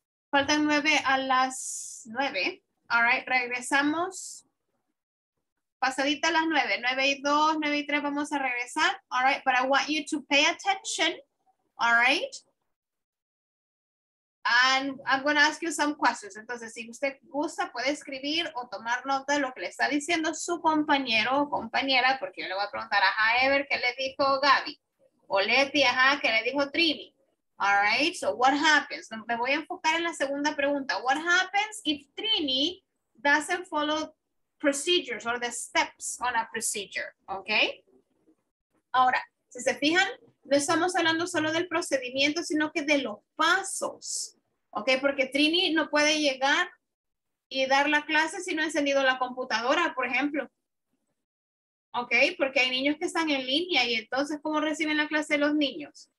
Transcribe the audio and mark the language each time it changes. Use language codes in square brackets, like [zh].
[es] Faltan 9 a las 9. All right, regresamos. Pasadita las 9, 9:02, 9:03 vamos a regresar. [en] All right, but I want you to pay attention. All right. And I'm going to ask you some questions. [es] Entonces, si usted gusta, puede escribir o tomar nota de lo que le está diciendo su compañero o compañera, porque yo le voy a preguntar, ajá, Ever, ¿qué le dijo Gaby? O Leti, ajá, ¿qué le dijo Trini? [en] All right, so what happens? [es] Me voy a enfocar en la segunda pregunta. [en] What happens if Trini doesn't follow procedures or the steps on a procedure? Okay? [es] Ahora, si se fijan, no estamos hablando solo del procedimiento, sino que de los pasos. Ok, porque Trini no puede llegar y dar la clase si no ha encendido la computadora, por ejemplo. Ok, porque hay niños que están en línea y entonces, ¿cómo reciben la clase los niños?